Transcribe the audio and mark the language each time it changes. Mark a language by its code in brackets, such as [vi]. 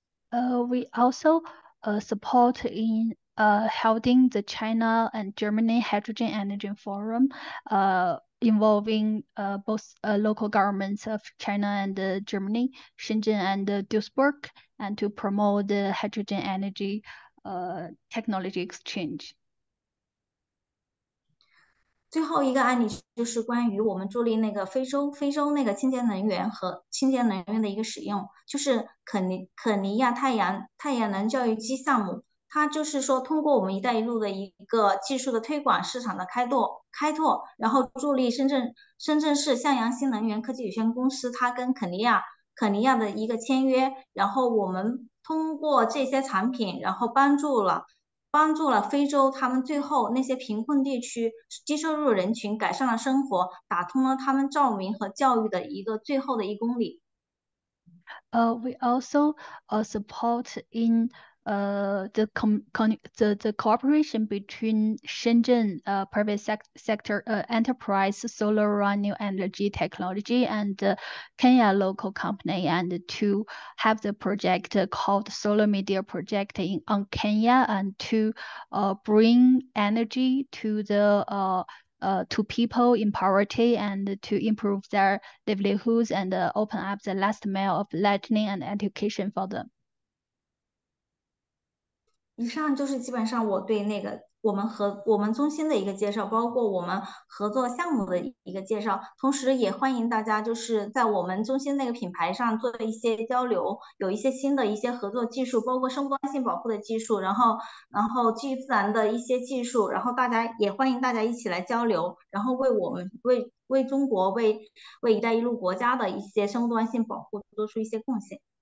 [en] We also support in holding the China and Germany Hydrogen Energy Forum, involving both local governments of China and Germany, Shenzhen and Duisburg, and to promote the hydrogen energy technology exchange. [zh] 最后一个案例就是关于我们助力那个非洲那个清洁能源的一个使用，就是肯尼亚太阳能教育机项目。它就是说，通过我们"一带一路"的一个技术的推广、市场的开拓，然后助力深圳市向阳新能源科技有限公司它跟肯尼亚的一个签约，然后我们通过这些产品，然后帮助了非洲他们最后那些贫困地区低收入人群改善了生活，打通了他们照明和教育的一个最后的一公里。 [en] We also support in the cooperation between Shenzhen private sector enterprise solar renewable energy technology and Kenya local company and to have the project called Solar Media Project in on Kenya and to bring energy to to people in poverty and to improve their livelihoods and open up the last mile of learning and education for them. [zh] 以上就是基本上我对那个我们中心的一个介绍，包括我们合作项目的一个介绍，同时也欢迎大家就是在我们中心那个品牌上做一些交流，有一些新的一些合作技术，包括生物多样性保护的技术，然后基于自然的一些技术，然后大家也欢迎大家一起来交流，然后为我们为中国为"一带一路"国家的一些生物多样性保护做出一些贡献。